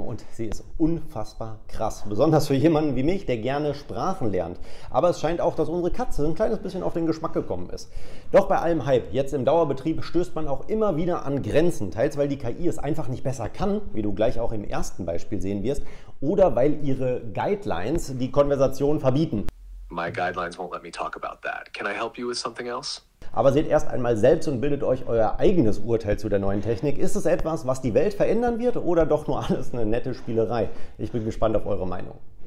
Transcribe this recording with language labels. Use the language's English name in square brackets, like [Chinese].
[German] Und sie ist unfassbar krass. Besonders für jemanden wie mich, der gerne Sprachen lernt. Aber es scheint auch, dass unsere Katze ein kleines bisschen auf den Geschmack gekommen ist. Doch bei allem Hype, jetzt im Dauerbetrieb, stößt man auch immer wieder an Grenzen. Teils, weil die KI es einfach nicht besser kann, wie du gleich auch im ersten Beispiel sehen wirst. Oder weil ihre Guidelines die Konversation verbieten. [English] My guidelines won't let me talk about that. Can I help you with something else? [German] Aber seht erst einmal selbst und bildet euch euer eigenes Urteil zu der neuen Technik. Ist es etwas, was die Welt verändern wird oder doch nur alles eine nette Spielerei? Ich bin gespannt auf eure Meinung.